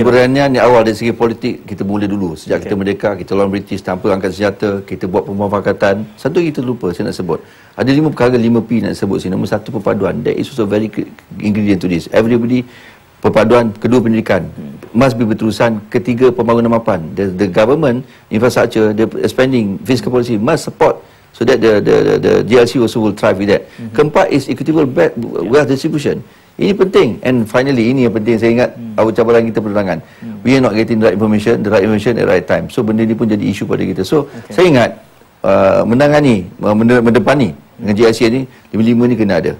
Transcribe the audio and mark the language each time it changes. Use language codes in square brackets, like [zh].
[ms] keberanian ni awal dari segi politik kita mula dulu sejak kita merdeka, kita lawan British tanpa angkat senjata, kita buat pemufakatan. Satu kita lupa, saya nak sebut ada lima perkara, lima P nak sebut sini. Nombor satu, perpaduan. [en] That is also very ingredient to this. Everybody, perpaduan. [ms] Kedua, pendidikan [en] must be [ms] berterusan. Ketiga, pembangunan mapan. [en] The government infrastructure, the spending, fiscal policy must support. So that the GLC also will thrive with that. Keempat is equitable wealth distribution. [ms] Ini penting. [en] And finally, [ms] ini yang penting. Saya ingat cabaran kita perundangan. [en] We are not getting the right information at the right time. [ms] So benda ni pun jadi isu pada kita. So saya ingat menangani, mendepani dengan GLC ni, lima-lima ni kena ada.